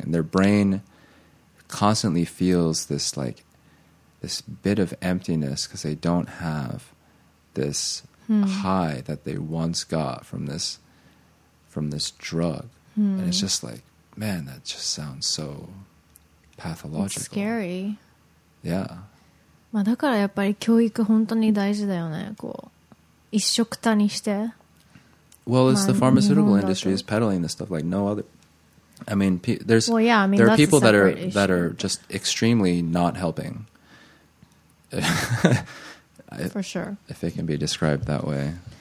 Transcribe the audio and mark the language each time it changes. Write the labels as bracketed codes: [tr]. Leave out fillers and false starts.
[en] And their brain constantly feels this bit of emptiness because they don't have this high that they once got from this drug. Hmm. And it's just like, man, that just sounds so pathological. It's scary. Yeah. [ja] まあだからやっぱり教育本当に大事だよね。こう一緒くたにして。 [en] Well, it's the pharmaceutical industry is peddling this stuff like no other. I mean, there's well, yeah, I mean, there are people that are issue. That are just extremely not helping. For sure. If it can be described that way.